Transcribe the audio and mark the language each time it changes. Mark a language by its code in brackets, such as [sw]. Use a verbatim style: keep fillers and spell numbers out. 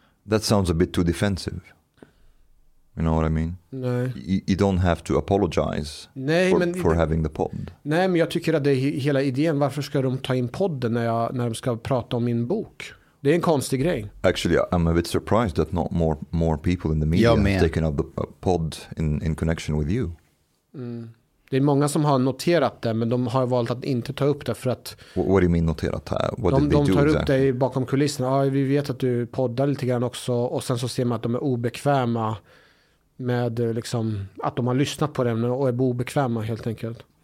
[en] That sounds a bit too defensive. You know what I mean? [sv] Nej. [en] You, you don't have to apologize [sv] nej, [en] for, [sv] men, [en] for having the pod. [sv] Nej, men jag tycker att det är hela idén. Varför ska de ta in podden när, jag, när de ska prata om min bok? Det är en konstig grej. [en] Actually, I'm a bit surprised that not more, more people in the media ja, have taken up the pod in, in connection with you. Mm. [sv] Det är många som har noterat det, men de har valt att inte ta upp det för att... [en] What, what do you mean noterat? What [sv] de [en] did [sv] de tar [en] do [sv] upp det bakom kulisserna. Ja, vi vet att du poddar lite grann också, och sen så ser man att de är obekväma med liksom, att de har lyssnat på den och är obekväma helt enkelt.